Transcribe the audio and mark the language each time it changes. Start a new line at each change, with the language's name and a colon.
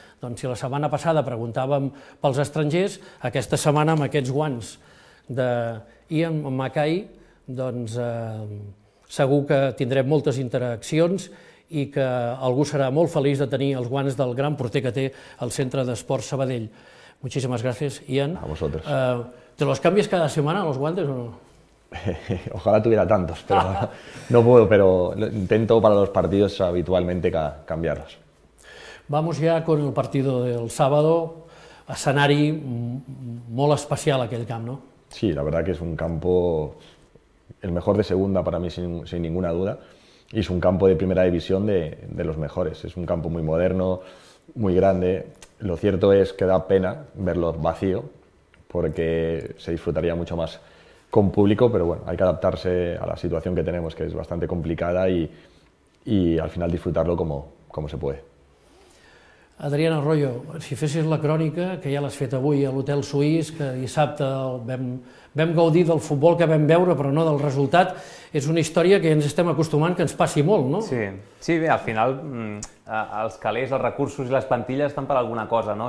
Catalan: Doncs si la setmana passada preguntàvem pels estrangers, aquesta setmana amb aquests guants d'Ian Mackay, doncs segur que tindrem moltes interaccions i que algú serà molt feliç de tenir els guants del gran porter que té el Centre d'Esport Sabadell. Moltíssimes gràcies, Ian. A vosaltres.
Spanish: ¿Te los cambias cada semana los guantes o no? Ojalá tuviera tantos, pero no puedo, pero intento para los partidos habitualmente cambiarlos. Vamos ya con el partido del sábado,
Catalan: escenari molt especial aquell camp,
Spanish: ¿no? Sí, la verdad que es un campo el mejor de segunda para mí sin ninguna duda, y es un campo de primera división de los mejores, es un campo muy moderno, muy grande, lo cierto es que da pena verlo vacío, porque se disfrutaría mucho más con público, pero bueno, hay que adaptarse a la situación que tenemos, que es bastante complicada, y al final disfrutarlo como se puede.
Catalan: Adrián Arroyo, si fessis la crònica, que ja l'has fet avui a l'Hotel Suís, que dissabte vam gaudir del futbol que vam veure, però no del resultat, és una història que ja ens estem acostumant que ens passi molt, no? Sí, sí, bé, al final els calés, els recursos i les plantilles estan per alguna cosa, no?